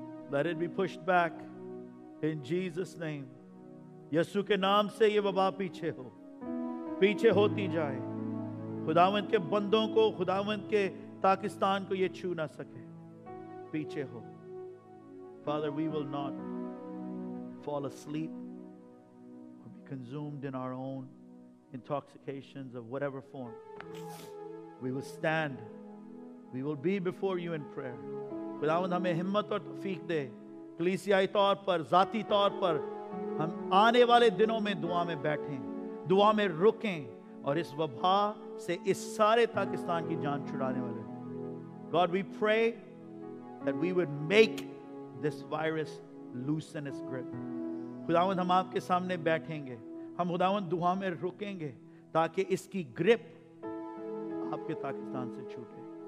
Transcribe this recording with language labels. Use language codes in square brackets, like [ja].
[en] Let it be pushed back in Jesus' name. [hi] यीशु के नाम से ये वबा पीछे होती जाए. खुदावंत के बंदों को, खुदावंत के ताकिस्तान को ये छू ना सके, पीछे हो. [en] Father, we will not fall asleep or be consumed in our own intoxications of whatever form. We will stand. We will be before you in prayer. [hi] खुदावंत हमें हिम्मत और तौफीक दे, कलीसियाई तौर पर, जाती तौर पर, हम आने वाले दिनों में दुआ में बैठें, दुआ में रुकें और इस वबा से इस सारे पाकिस्तान की जान छुड़ाने वाले. [en] God, we pray that we would make this virus loosen its grip. [hi] खुदावंद हम आपके सामने बैठेंगे, हम खुदावंद दुआ में रुकेंगे ताकि इसकी ग्रिप आपके पाकिस्तान से छूटे.